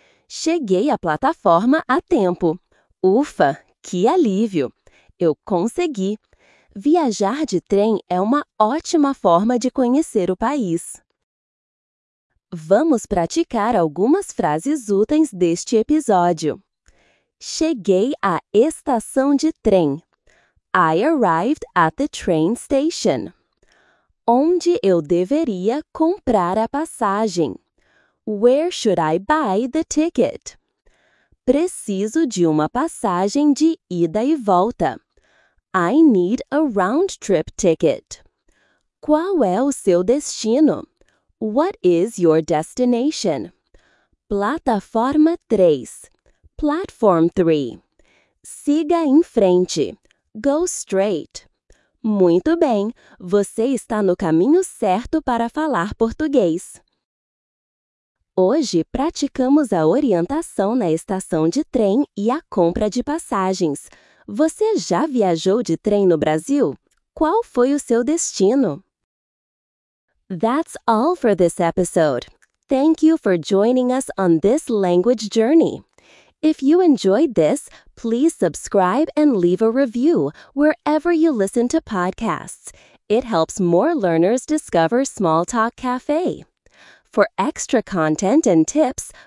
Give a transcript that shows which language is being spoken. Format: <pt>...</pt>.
<pt>Cheguei à plataforma a tempo. Ufa, que alívio! Eu consegui. Viajar de trem é uma ótima forma de conhecer o país. Vamos praticar algumas frases úteis deste episódio. Cheguei à estação de trem.</pt> <en>I arrived at the train station.</en> <pt>Onde eu deveria comprar a passagem?</pt> <en>Where should I buy the ticket?</en> <pt>Preciso de uma passagem de ida e volta.</pt> <en>I need a round-trip ticket.</en> <pt>Qual é o seu destino?</pt> <en>What is your destination?</en> <pt>Plataforma 3.</pt> <en>Platform 3.</en> <pt>Siga em frente.</pt> <en>Go straight.</en> <pt>Muito bem, você está no caminho certo para falar português. Hoje praticamos a orientação na estação de trem e a compra de passagens. Você já viajou de trem no Brasil? Qual foi o seu destino?</pt> <en>That's all for this episode. Thank you for joining us on this language journey. If you enjoyed this, please subscribe and leave a review wherever you listen to podcasts. It helps more learners discover Small Talk Cafe. For extra content and tips,</en>